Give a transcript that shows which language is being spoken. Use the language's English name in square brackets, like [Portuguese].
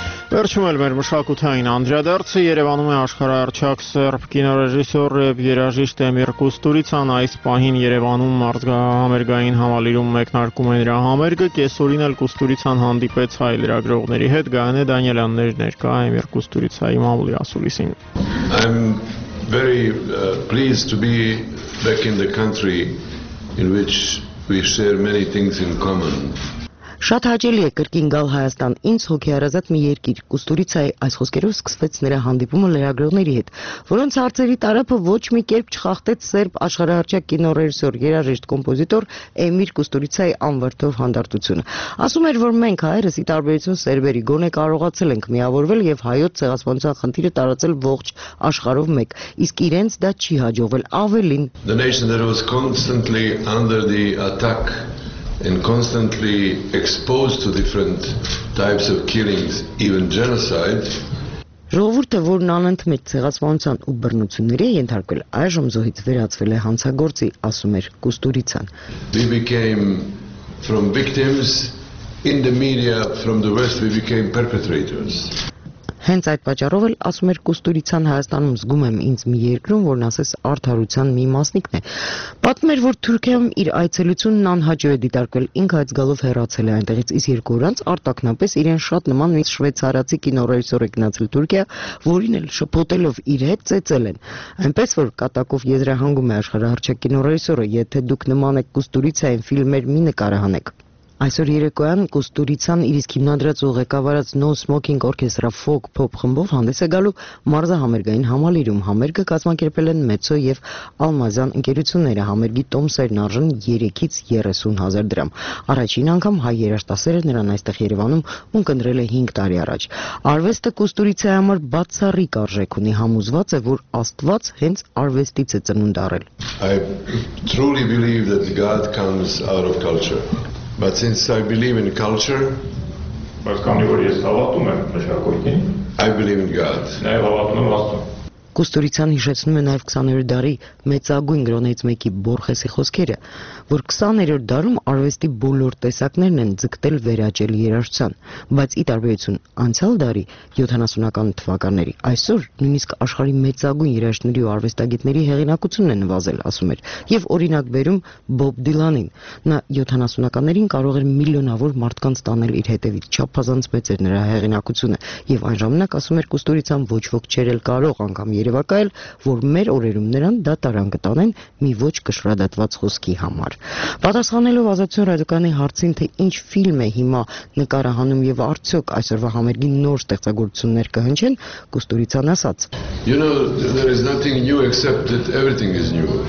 [Armenian] Վերջում էլ մեր մշակութային անդրադարձը Երևանում է աշխարհաարչակ սերբ կինոռեժիսոր և երաժիշտ Էմիր Կուստուրիցան այս պահին Երևանում մարզահամերգային համալիրում մեկնարկում է նրա համերգը, կեսօրին էլ Կուստուրիցան հանդիպեց հայ լրագրողների հետ, Գայանե Դանիելյաններ ներկա Էմիր Կուստուրիցայի մամուլի ասուլիսին։ [English] I'm very pleased to be back in the country in which we share many things in common. [Armenian] Շատ հաճելի է կրկին գալ Հայաստան, ինձ հոգի առազատ մի երկիր, Կուստուրիցայի այս խոսքերով սկսվեց նրա հանդիպումը լրագրողների հետ, որոնց հարցերի տարափը ոչ մի կերպ չխախտեց սերբ աշխարհաարչակ կինոռեժիսոր, երաժիշտ, կոմպոզիտոր Էմիր Կուստուրիցայի անվրդով հանդարտությունը։ Ասում էր, որ մենք հայերս ի տարբերություն սերբերի գոնե կարողացել ենք միավորվել և հայոց ցեղասպանության խնդիրը տարածել ողջ աշխարհով մեկ, իսկ իրենց դա չի հաջողվել, ավելին։ [English] The nation that was constantly under the attack and constantly exposed to different types of killings, even genocide. [Armenian] Ժողովուրդը, որն անընդմեջ ցեղասպանության ու բռնությունների է ենթարկվել, այժմ զոհից վերածվել է հանցագործի, ասում էր Կուստուրիցան։ [English] We became from victims, in the media, from the West, we became perpetrators. [Armenian] Հենց այդ պատճառով էլ ասում էր Կոստուրիցան Հայաստանում զգում եմ ինձ մի երկրում, որն ասես արդարության մի մասնիկն է։ Պատմում էր, որ Թուրքիայում իր այցելությունն անհաջող է դիտարկվել, ինքը այդ գալով հեռացել է այնտեղից, իսկ երկու օր անց արտաքնապես իրեն շատ նման մի շվեցարացի կինոռեժիսոր է գնացել Թուրքիա, որին էլ շփոթելով իր հետ ծեծել են։ Այնպես որ կատակով եզրահանգում է աշխարհ առաջ կինոռեժիսորը, եթե դուք նման եք Կոստուրիցային ֆիլմեր մի նկարահանեք։ Այսօր երեկոյան Կոստուրիցան իր հիմնադրած ու ղեկավարած No Smoking Orchestra Folk Pop խմբով հանդես է գալու մարզահամերգային համալիրում։ Համերգը կազմակերպել են Մեցո և Ալմազյան ընկերությունները, համերգի տոմսերն արժեն 3-30,000 դրամ։ Առաջին անգամ հայ երաժշտասերը նրան այստեղ Երևանում ունկնդրել է 5 տարի առաջ։ Արվեստը Կոստուրիցայի համար բացառիկ արժեք ունի, համոզված է, որ Աստված հենց արվեստից է ծնունդ առել։ [English] I truly believe that God comes out of culture. But since I believe in culture, I believe in God. [Armenian] Կոստուրիցան հիշեցնում է նաև 20-րդ դարի մեծագույն գրոնից մեկի Բորխեսի խոսքերը, որ 20-րդ դարում արվեստի բոլոր տեսակներն են ձգտել վերաճել երաժշտության, բայց ի տարբերություն անցյալ դարի 70-ական թվականների, այսօր նույնիսկ աշխարհի մեծագույն երաժշտների ու արվեստագետների հեղինակությունն է նվազել, ասում էր, և օրինակ վերում Բոբ Դիլանին, նա 70-ականներին կարող էր միլիոնավոր մարդկանց տանել իր հետևից, չափազանց մեծ էր նրա հեղինակությունը, և այն ժամանակ ասում էր Կոստուրիցան ոչ ոք չէր էլ կարող անգամ երևակայել, որ մեր օրերում նրան դա տարան կտանեն մի ոչ կշռադատված խոսքի համար։ Պատասխանելով Ազատություն ռադիոկանի հարցին, թե ինչ ֆիլմ է հիմա նկարահանում եւ արդյոք այսօրվա համերգի նոր ստեղծագործություններ կհնչեն, Կոստուրիցան ասաց. [English] You know, there is nothing new except that everything is new.